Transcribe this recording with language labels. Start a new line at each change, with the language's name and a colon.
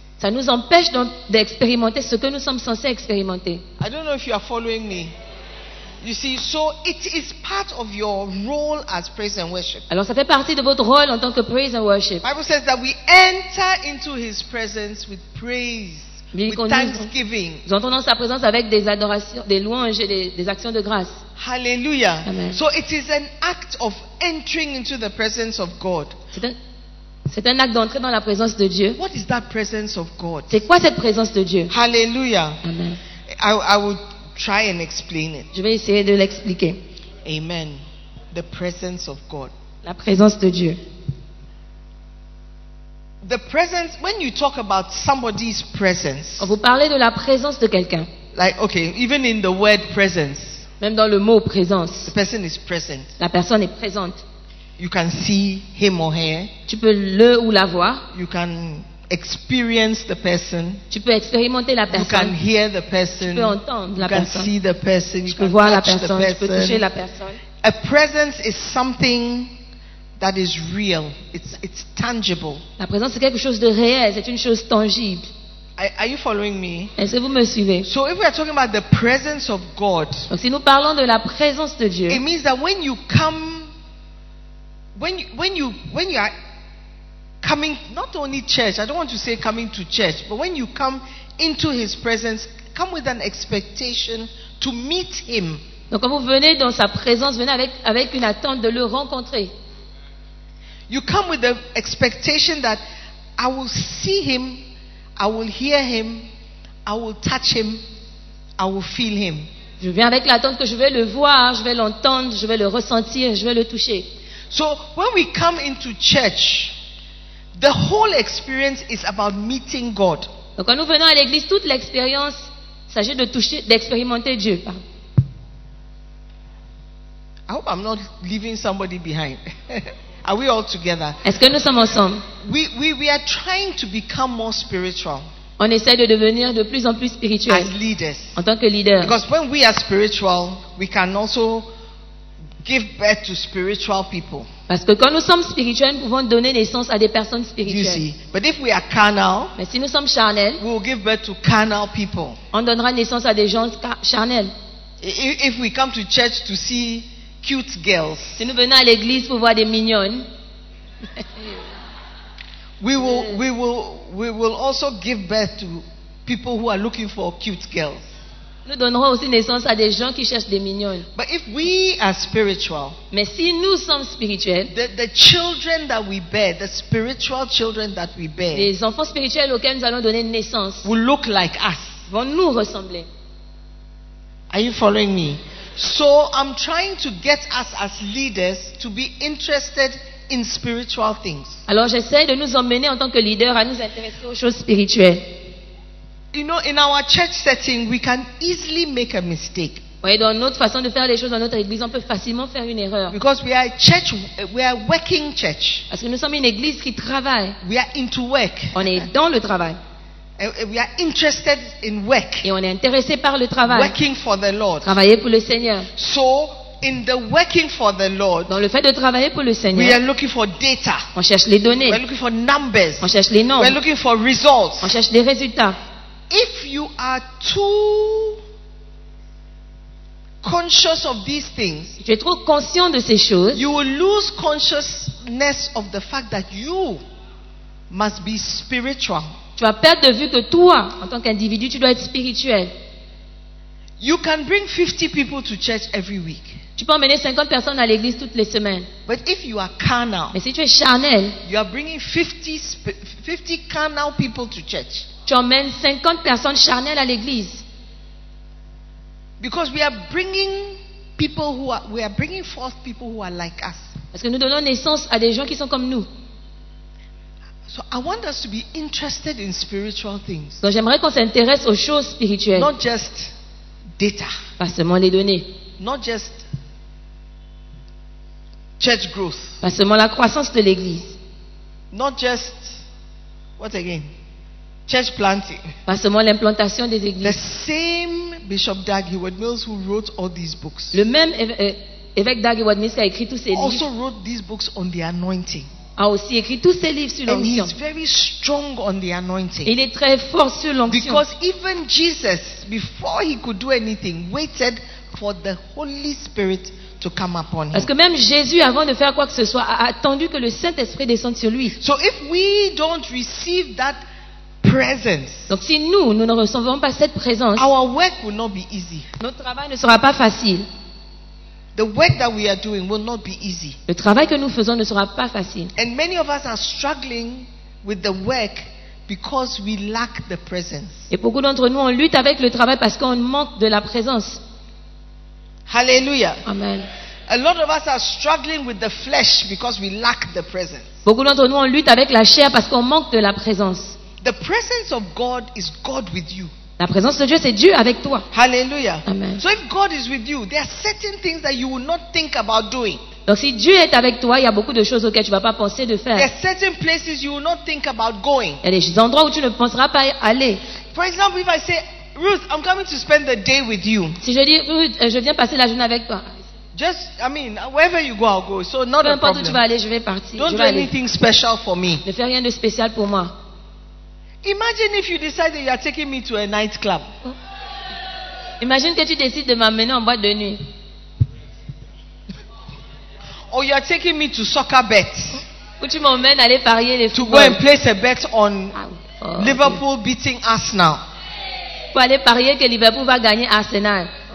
French: Ça nous empêche donc d'expérimenter ce que nous sommes censés expérimenter.
English: I don't know if you are following me. You see, so it is part of your role as praise and worship.
French: Alors ça fait partie de votre rôle en tant que
English: praise and worship. The Bible says that we enter into His presence with praise, with thanksgiving.
French: Nous entrons dans sa présence avec des adorations, des louanges et des actions de grâce.
English: Hallelujah. Amen. So it is an act of entering into the presence of God.
French: C'est un acte d'entrer dans la présence de Dieu.
English: What is that presence of God?
French: C'est quoi cette présence de Dieu?
English: Hallelujah. Amen. I will try and explain it.
French: Je vais essayer de l'expliquer.
English: Amen. The presence of God.
French: La présence de Dieu.
English: The presence. When you talk about somebody's presence.
French: Quand vous parlez de la présence de quelqu'un.
English: Like okay, even in the word presence.
French: Même dans le mot présence.
English: The person is present.
French: La personne est présente.
English: You can see him or her.
French: Tu peux le ou la voir.
English: You can experience the person.
French: Tu peux expérimenter la personne.
English: You can hear the person.
French: Tu peux entendre la personne.
English: You can see the person.
French: Tu peux voir la personne. Tu peux toucher la personne.
English: A presence is something that is real. It's tangible.
French: La présence c'est quelque chose de réel, c'est une chose tangible.
English: Are you following me?
French: Est-ce que vous me suivez?
English: So if we are talking about the presence of God,
French: donc si nous parlons de la présence de Dieu,
English: it means that when you come, when you are coming, not only church, I don't want to say coming to church, but when you come into His presence, come with an expectation to meet Him.
French: Donc quand vous venez dans sa présence, venez avec une attente de le rencontrer.
English: You come with the expectation that I will see Him, I will hear Him, I will touch Him, I will feel Him.
French: Je viens avec l'attente que je vais le voir, je vais l'entendre, je vais le ressentir, je vais le toucher.
English: So when we come into church, the whole experience is about meeting God.
French: Donc quand nous venons à l'église, toute l'expérience s'agit de toucher, d'expérimenter Dieu.
English: I hope I'm not leaving somebody behind. Are we all together?
French: Est-ce que nous sommes ensemble?
English: We are trying to become more spiritual.
French: On essaie de devenir de plus en plus spirituel.
English: As leaders.
French: En tant que leader.
English: Because when we are spiritual, we can also give birth to spiritual people.
French: Parce que quand nous sommes spirituels, nous pouvons donner naissance à des personnes spirituelles.
English: You see? But if we are carnal,
French: mais si nous sommes charnels,
English: we will give birth to carnal people.
French: On donnera naissance à des gens charnels.
English: If we come to church to see cute girls,
French: si nous venons à l'église pour voir des mignonnes,
English: we will also give birth to people who are looking for cute girls.
French: Nous donnerons aussi naissance à des gens qui cherchent des mignonnes.
English: But if we are spiritual,
French: mais si nous sommes spirituels,
English: the children that we bear, the spiritual children that we bear,
French: les enfants spirituels auxquels nous allons donner naissance,
English: will look like us.
French: Vont nous ressembler.
English: Are you following me? So I'm trying to get us as leaders to be interested in spiritual things.
French: Alors j'essaie de nous emmener en tant que leaders à nous intéresser aux choses spirituelles.
English: You know, in our church setting, we can easily make a mistake.
French: Oui, dans notre façon de faire les choses dans notre église, on peut facilement faire une erreur.
English: Because we are a church, we are a working church.
French: Parce que nous sommes une église qui travaille.
English: We are into work.
French: On est dans le travail.
English: We are interested in work.
French: Et on est intéressé par le travail.
English: Working for the Lord.
French: Travailler pour le Seigneur.
English: So, in the working for the Lord,
French: dans le fait de travailler pour le Seigneur,
English: we are looking for data.
French: On cherche les données.
English: We are looking for numbers.
French: On cherche les nombres.
English: We are looking for results.
French: On cherche des résultats.
English: If you are too conscious of these things,
French: tu es trop conscient de ces choses,
English: you will lose consciousness of the fact that you must be spiritual.
French: Tu vas perdre de vue que toi, en tant qu'individu, tu dois être spirituel.
English: You can bring 50 people to church every week.
French: Tu peux emmener 50 personnes à l'église toutes les semaines.
English: But if you are carnal,
French: mais si tu es charnel,
English: you are bringing 50 carnal people to church.
French: Tu emmènes 50 personnes charnelles à l'église.
English: Because we are bringing forth people who are like us.
French: Parce que nous donnons naissance à des gens qui sont comme nous.
English: So I want us to be interested in spiritual things.
French: Donc j'aimerais qu'on s'intéresse aux choses spirituelles.
English: Not just data.
French: Pas seulement les données.
English: Not just church growth.
French: Pas seulement la croissance de l'église.
English: Not just what again? Church planting.
French: Pas seulement l'implantation des églises.
English: The same Bishop Doug Heward Mills who wrote all these books.
French: Le même évêque Doug Heward Mills qui a écrit tous ces livres.
English: Also wrote these books on the anointing.
French: A aussi écrit tous ses livres sur l'onction.
English: And he's very strong on the anointing.
French: Il est très fort sur l'onction.
English: Because even Jesus, before he could do anything, waited for the Holy Spirit to come upon him.
French: Parce que même Jésus, avant de faire quoi que ce soit, a attendu que le Saint-Esprit descende sur lui.
English: So if we don't receive that presence,
French: donc si nous ne recevons pas cette présence,
English: our work will not be easy.
French: Notre travail ne sera pas facile.
English: The work that we are doing will not be easy.
French: Le travail que nous faisons ne sera pas facile.
English: And many of us are struggling with the work because we lack the presence.
French: Et beaucoup d'entre nous on lutte avec le travail parce qu'on manque de la présence.
English: Hallelujah. Amen. A lot of us are struggling with the flesh because we lack the presence.
French: Beaucoup d'entre nous on lutte avec la chair parce qu'on manque de la présence.
English: The presence of God is God with you.
French: La présence de Dieu, c'est Dieu avec toi.
English: Hallelujah. Amen. So if God is with you, there are certain things that you will not think about doing.
French: Donc si Dieu est avec toi, il y a beaucoup de choses auxquelles tu ne vas pas penser de faire.
English: There are certain places you will not think about going.
French: Il y a des endroits où tu ne penseras pas aller.
English: For example, if I say, Ruth, I'm coming to spend the day with you.
French: Si je dis, Ruth, je viens passer la journée avec toi.
English: Just, I mean, wherever you go, I'll go. So not a problem.
French: Peu importe où tu vas aller, je vais partir.
English: Don't
French: je vais
English: do anything
French: aller.
English: Special for me.
French: Ne fais rien de spécial pour moi.
English: Imagine if you decide that you are taking me to a nightclub.
French: Imagine que tu décides de m'amener en boîte de nuit.
English: Or you are taking me to soccer bets.
French: Ou tu m'emmènes aller parier les
English: footballs. To go and place a bet on Liverpool beating Arsenal.
French: Pour aller parier que Liverpool va gagner Arsenal.